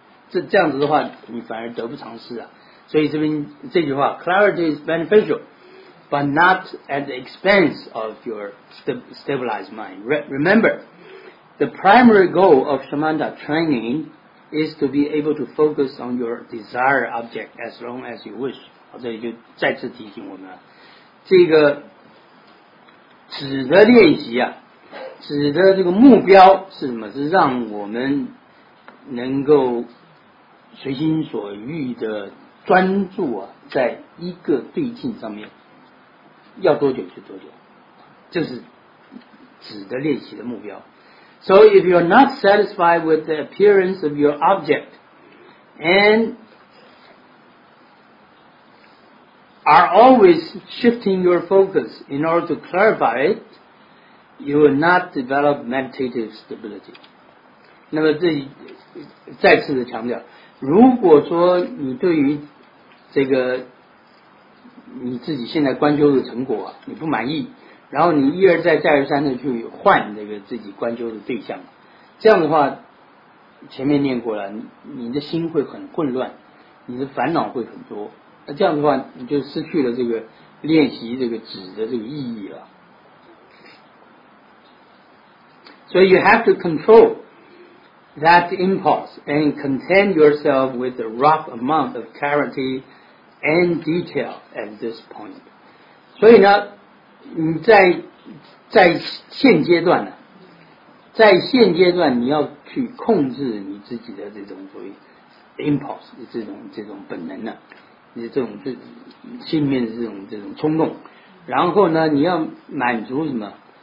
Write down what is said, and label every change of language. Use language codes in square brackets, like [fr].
[zh] 这样子的话，你反而得不偿失啊。所以这边这句话 [en] ，clarity is beneficial， but not at the expense of your stabilized mind. Remember. The primary goal of Samatha training is to be able to focus on your desired object as long as you wish. [zh] 这里就再次提醒我们，这个止的练习啊，止的这个目标是什么？是让我们能够随心所欲的专注啊，在一个对境上面，要多久就多久，这是止的练习的目标。 [en] So if you are not satisfied with the appearance of your object and are always shifting your focus in order to clarify it, you will not develop meditative stability. [zh] 那么这再次的强调，如果说你对于这个你自己现在观修的成果啊，你不满意，然后你一而再再而三的去换这个自己观修的对象，这样的话前面念过了，你的心会很混乱，你的烦恼会很多，那这样的话你就失去了这个练习这个止的这个意义了。 [en] So you have to control that impulse and content yourself with the rough amount of clarity and detail at this point. [zh] 所以呢，你在现阶段呢、啊，在现阶段你要去控制你自己的这种所谓 impulse 的这种本能呢、啊，你这种这心里面的这种冲动，然后呢，你要满足什么？